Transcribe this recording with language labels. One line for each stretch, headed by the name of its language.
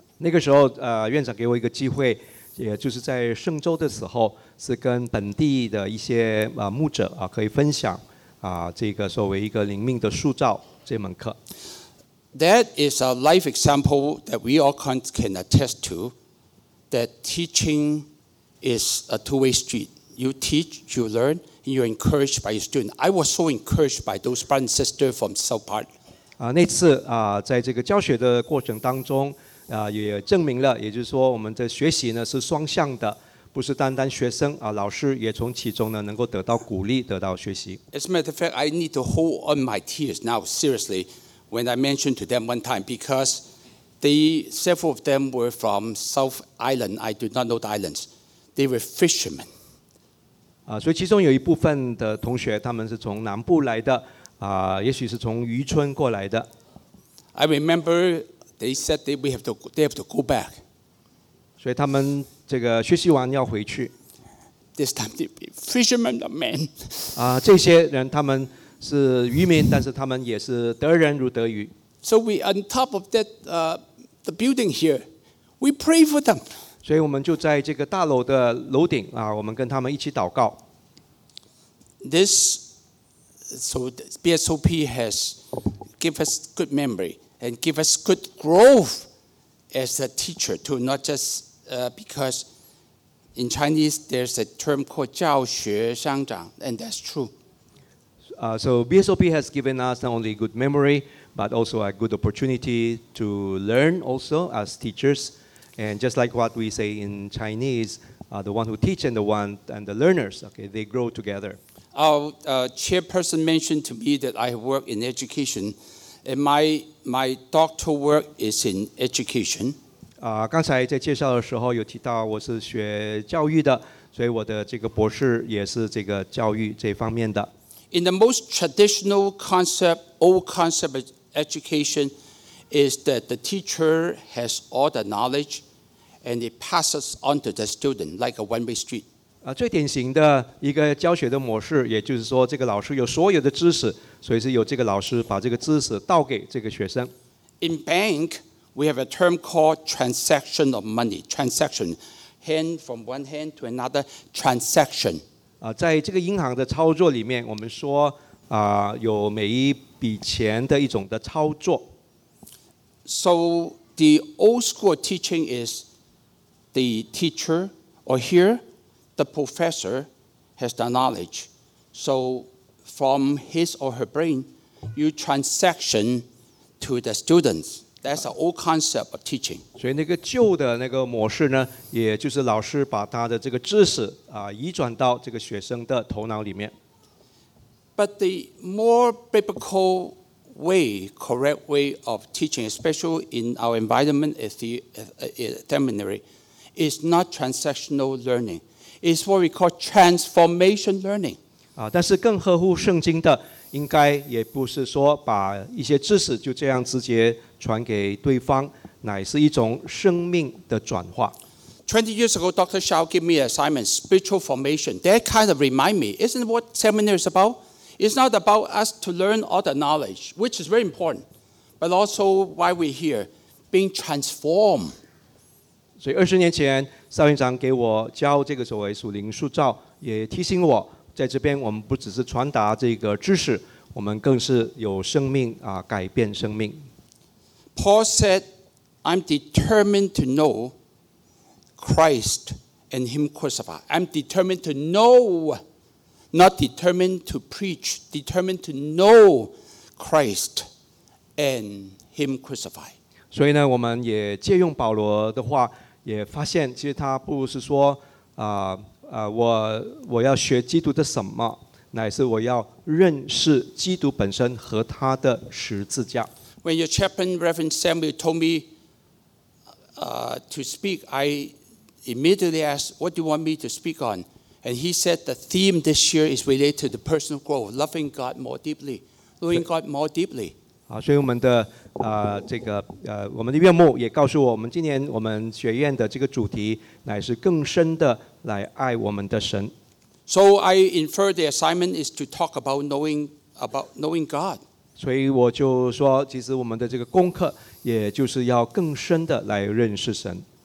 Chinese: 那个时候，院长给我一个机会，也就是在圣周的时候，是跟本地的一些牧者可以分享。这个作为一个灵命的塑造这门课。
English: That is a life example that we all can attest to, that teaching is a two-way street. You teach, you learn, and you're encouraged by your student. I was so encouraged by those brothers and sisters from South Park.
Chinese: 那次在这个教学的过程当中也证明了，也就是说我们的学习呢是双向的。不是单单学生老师也从其中呢能够得到鼓励，得到学习。
English: As a matter of fact, I need to hold on my tears now, seriously, when I mentioned to them one time, because several of them were from South Island. I do not know the islands. They were fishermen.
Chinese: 所以其中有一部分的同学，他们是从南部来的也许是从渔村过来的。
English: I remember they said they have to go back.
Chinese: 所以他们。这个学习完要回去。
English: This time they be fishermen of men.
Chinese: 这些人他们是渔民，但是他们也是得人如得鱼。
English: So we on top of that, the building here, we pray for them.
Chinese: 所以我们就在这个大楼的楼顶我们跟他们一起祷告。
English: This, so BSOP has give us good memory and give us good growth as a teacher to not just. Because in Chinese, there's a term called
Chinese: 教学相长,
English: and that's true. So BSOP has given us not only good memory, but also a good opportunity to learn also as teachers. And just like what we say in Chinese, the one who teach and the one and the learners, okay, they grow together. Our chairperson mentioned to me that I work in education, and my doctoral work is in education.
Chinese: 刚才在介绍的时候有提到我是学教育的，所以我的这个博士也是这个教育这方面的。
English: In the most traditional concept, old concept of education is that the teacher has all the knowledge and it passes on to the student like a one-way street.
Chinese: 最典型的一个教学的模式，也就是说这个老师有所有的知识，所以是由这个老师把这个知识倒给这个学生。
English: In bank, we have a term called transaction of money, transaction, hand from one hand to another, transaction.
Chinese: 在这个银行的操作里面，我们说有每一笔钱的一种的操作。
English: So the old school teaching is the teacher, or here, the professor has the knowledge. So from his or her brain, you transaction to the students. That's the old concept of teaching.
Chinese: 所以那个旧的那个模式呢，也就是老师把他的这个知识移转到这个学生的头脑里面。
English: But the more biblical way, correct way of teaching, especially in our environment at the seminary, is not transactional learning. It's what we call transformation learning.
Chinese: 但是更合乎圣经的，应该也不是说把一些知识就这样直接传给对方，乃是一种生命的转化。
English: 20 years ago, Dr. Shao gave me an assignment, spiritual formation. That kind of remind me, isn't what seminar is about? It's not about us to learn all the knowledge, which is very important, but also why we're here, being transformed.
Chinese: 所以20年前，邵院长给我教这个所谓属灵塑造，也提醒我，在这边我们不只是传达这个知识，我们更是有生命改变生命。
English: Paul said, I'm determined to know Christ and Him crucified. I'm determined to know, not determined to preach, determined to know Christ and Him crucified.
Chinese: 所以呢，我们也借用保罗的话，也发现其实他不是说我要学基督的什么，乃是我要认识基督本身和他的十字架。
English: When your chaplain, Reverend Samuel, told me to speak, I immediately asked, what do you want me to speak on? And he said the theme this year is related to the personal growth, loving God more deeply, knowing God more deeply.
Chinese: 所以我们的这个我们的院牧也告诉我们，今年我们学院的这个主题乃是更深的来爱我们的神。
English: So I infer the assignment is to talk about knowing God.
Chinese: 所以我就说，其实我们的这个功课，也就是要更深的来认识神。